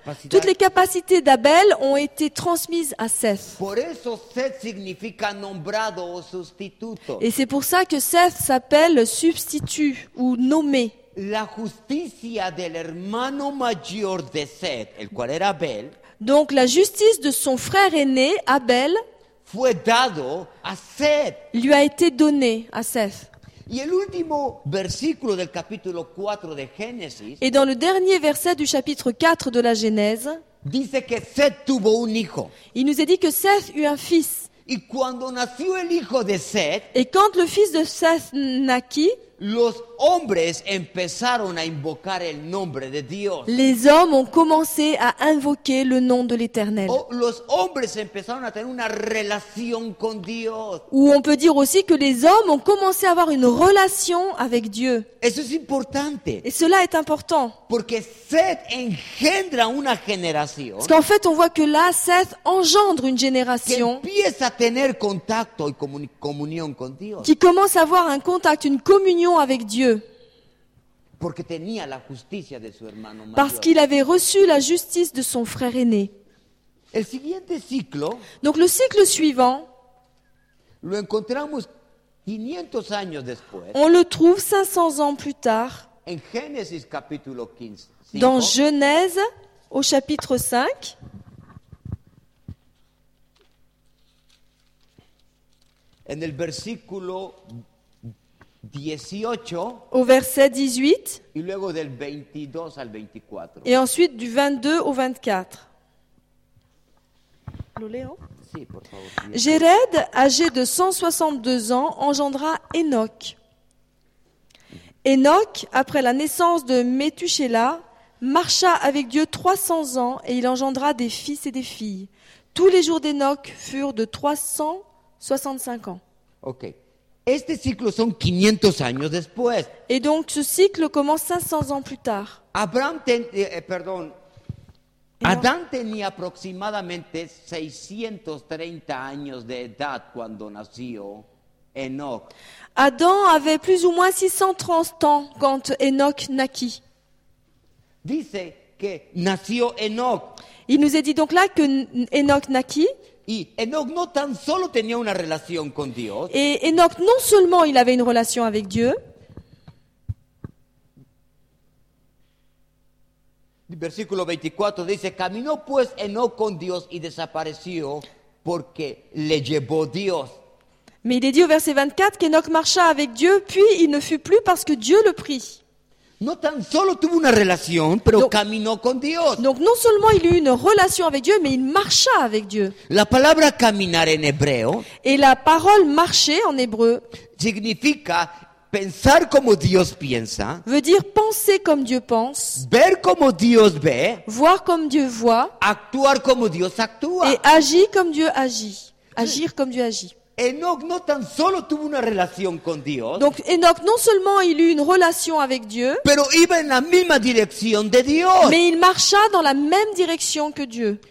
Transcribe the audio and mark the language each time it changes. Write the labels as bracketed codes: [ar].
[fr] Toutes les capacités d'Abel ont été transmises à Seth. [es] Por eso Seth significa nombrado o sustituto. [fr] Et c'est pour ça que Seth s'appelle substitut ou nommé. [es] La justicia del hermano mayor de Seth, el cual era Abel. [fr] Donc la justice de son frère aîné, Abel, [es] fue dado a Seth. [fr] Lui a été donnée à Seth. [es] Y el último versículo del capítulo 4 de Génesis. [fr] Et dans le dernier verset du chapitre 4 de la Genèse, [es] dice que Seth tuvo un hijo. [fr] Il nous est dit que Seth eut un fils. [es] Y cuando nació el hijo de Seth, [fr] et quand le fils de Seth naquit, [es] los hombres empezaron a invocar el nombre de Dios. [fr] Les hommes ont commencé à invoquer le nom de l'Éternel. [es] O los hombres empezaron a tener una relación con Dios. [fr] Ou on peut dire aussi que les hommes ont commencé à avoir une relation avec Dieu. [es] Eso es importante. [fr] Et cela est important. [es] Porque Seth engendra una generación. [fr] Parce qu'en fait, on voit que là, Seth engendre une génération. [es] Que empieza a tener contacto y comunión con Dios. [fr] Qui commence à avoir un contact, une communion avec Dieu. [es] Porque tenía la justicia de su hermano mayor. [fr] Parce qu'il avait reçu la justice de son frère aîné. [es] El siguiente ciclo, [fr] donc le cycle suivant, [es] lo encontramos 500 años después, [fr] on le trouve 500 ans plus tard [es] en Genesis, capítulo 15, [fr] dans Genèse au chapitre 5. [es] En el versículo 18, [fr] au verset 18 [es] y luego del 22 al 24. [fr] Et ensuite du 22 au 24. [es] Lo leo. Sí, por favor. [fr] Jared, âgé de 162 ans, engendra Enoch. Enoch, après la naissance de Methuselah, marcha avec Dieu 300 ans et il engendra des fils et des filles. Tous les jours d'Enoch furent de 365 ans. Ok. [es] Este ciclo son 500 años después. [fr] Et donc ce cycle commence 500 ans plus tard. [es] Adán tenía aproximadamente 630 años de edad cuando nació Enoch. [fr] Adam avait plus ou moins 630 ans quand Enoch naquit. [es] Dice que nació Enoch. [fr] Il nous est dit donc là que Enoch naquit. [es] Y Enoch no tan solo tenía una relación con Dios. [fr] Et Enoch non seulement il avait une relation avec Dieu. [es] Versículo 24 dice: caminó pues Enoch con Dios y desapareció porque le llevó Dios. [fr] Mais il est dit au verset 24 qu'Enoch marcha avec Dieu puis il ne fut plus parce que Dieu le prit. [es] No tan solo tuvo una relación, pero [fr] donc, [es] caminó con Dios. [fr] Donc non seulement il eut une relation avec Dieu, mais il marcha avec Dieu. [es] La palabra caminar en hebreo. [fr] Et la parole marcher en hébreu. [es] Significa pensar como Dios piensa. [fr] Veut dire penser comme Dieu pense. [es] Ver como Dios ve. [fr] Voir comme Dieu voit. [es] Actuar como Dios actúa. [fr] Et agir comme Dieu agit. Agir comme Dieu agit. [es] Enoch no tan solo tuvo una relación con Dios. [fr] Donc Enoch non seulement il eut une relation avec Dieu. [es] Pero iba en la misma dirección de Dios. [fr] Mais il marcha dans la même direction que Dieu.